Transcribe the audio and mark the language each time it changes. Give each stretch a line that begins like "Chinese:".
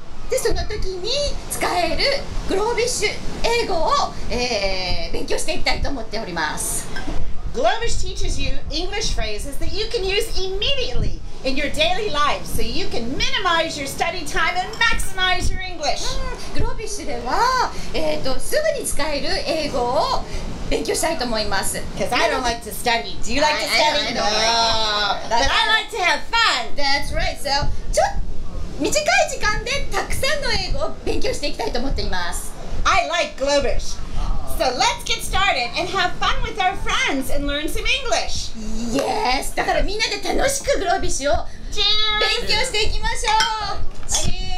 Japanese: でその時に使えるグロービッシュ英語を、勉強していきたいと思っております。
English: Globish teaches you English phrases that you can use immediatelyin your daily life, so you can minimize your study time and maximize your English.
Japanese: グロービッシュでは、すぐに使える英語を勉強したいと思います。
English: Because I don't like to study. Do you like to study? No. But I like to have fun. That's right.
Japanese: So, ちょっと短い時間でたくさんの英語を勉強していきたいと思っています。
English: I like Globish. So let's get started and have fun with our friends and learn some English. Yes!
Japanese: だからみんなで楽しくグロービッシュを勉強していきましょう。